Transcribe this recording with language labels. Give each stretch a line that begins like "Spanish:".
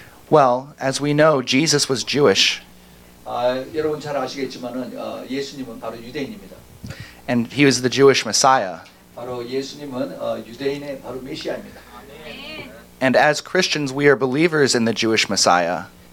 English: Well, as we know, Jesus was Jewish.
Korean: 여러분 잘 아시겠지만은 예수님은 바로 유대인입니다.
English: And he was the Jewish Messiah.
Korean: 바로 예수님은 유대인의 바로 메시아입니다.
English: And as Christians, we are believers in the Jewish Messiah.